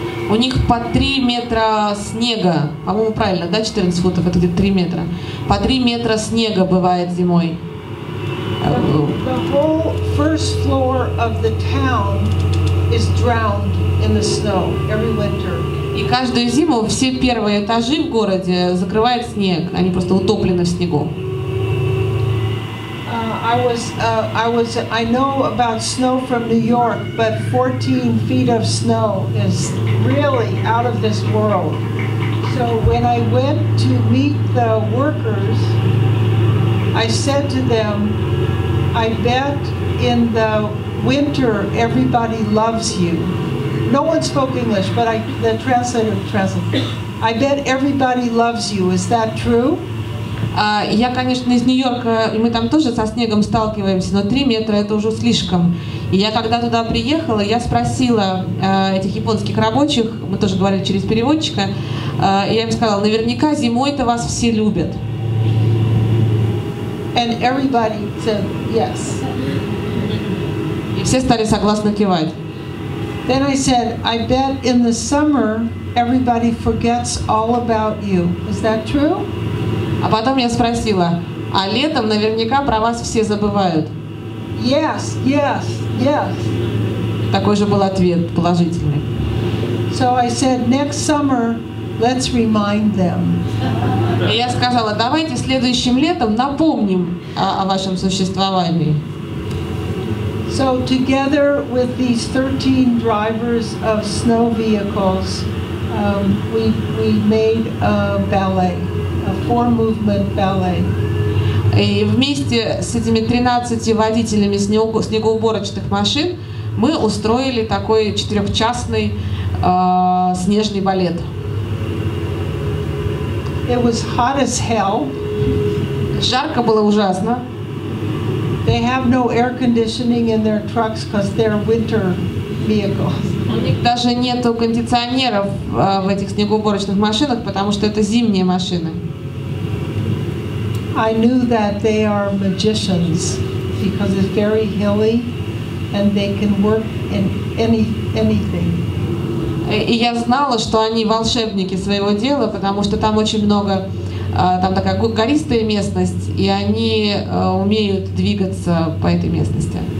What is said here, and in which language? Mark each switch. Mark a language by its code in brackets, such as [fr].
[ru] У них по 3 метра снега, по-моему, правильно, да, 14 футов, это где-то 3 метра. По 3 метра снега бывает зимой. [en] The whole first floor of the town is drowned in the snow every winter. [ru] И каждую зиму все первые этажи в городе закрывает снег, они просто утоплены в снегу. [en] I know about snow from New York, but 14 feet of snow is really out of this world. So when I went to meet the workers, I said to them, I bet in the winter everybody loves you. No one spoke English, but the translator. I bet everybody loves you. Is that true? [ru] Я, конечно, из Нью-Йорка, и мы там тоже со снегом сталкиваемся, но 3 метра это уже слишком. И я когда туда приехала, я спросила этих японских рабочих, мы тоже говорили через переводчика, и я им сказала, наверняка зимой-то вас все любят. [en] And everybody said yes. [ru] И все стали согласно кивать. [en] Then I said, I bet in the summer everybody forgets all about you. Is that true? [ru] А потом я спросила, а летом наверняка про вас все забывают. [en] Yes, yes, yes. [ru] Такой же был ответ, положительный. [en] So I said, next summer let's remind them. [ru] И я сказала, давайте следующим летом напомним о вашем существовании. [en] So together with these 13 drivers of snow vehicles, we made a ballet, a four-movement ballet. [ru] И вместе с этими 13 водителями снегоуборочных машин мы устроили такой четырехчасный снежный балет. [en] It was hot as hell. [ru] Жарко было ужасно. [en] They have no air conditioning in their trucks because they're winter vehicles. [ru] У них даже нету кондиционеров в этих снегоуборочных машинах, потому что это зимние машины. [en] I knew that they are magicians because it's very hilly and they can work in anything. [ru] И я знала, что они волшебники своего дела, потому что там очень много, там такая гористая местность, и они умеют двигаться по этой местности.